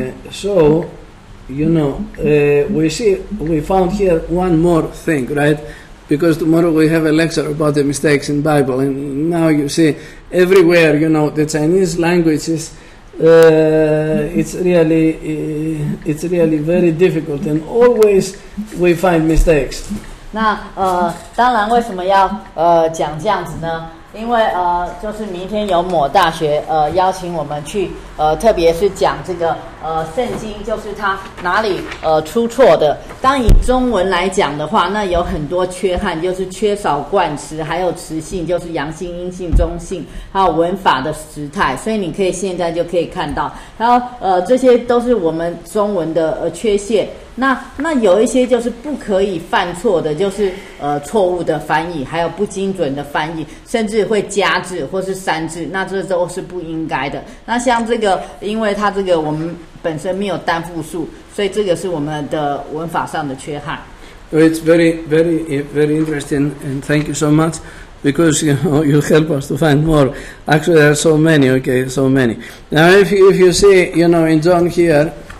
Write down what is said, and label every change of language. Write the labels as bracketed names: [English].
[English] So you know, we see we found here one more thing, right? Because tomorrow we have a lecture about the mistakes in Bible, and now you see everywhere, you know, the Chinese language is, it's really very difficult, and always we find mistakes. [Chinese] 那当然，为什么要讲这样子呢？因为就是明天有某大学邀请我们去特别是讲这个圣经，就是它哪里出错的。当以中文来讲的话，那有很多缺憾，就是缺少冠词，还有词性，就是阳性、阴性、中性，还有文法的时态。所以你可以现在就可以看到，然后这些都是我们中文的缺陷。那有一些就是不可以犯错的，就是错误的翻译，还有不精准的翻译，甚至会加字或是删字，那这都是不应该的。那像这个，因为它这个我们本身没有单复数，所以这个是我们的文法上的缺憾。 [English] It's very, very, very interesting, and thank you so much because you know, you help us to find more. Actually, there are so many. Okay, so many. Now, if you see, you know, in John here.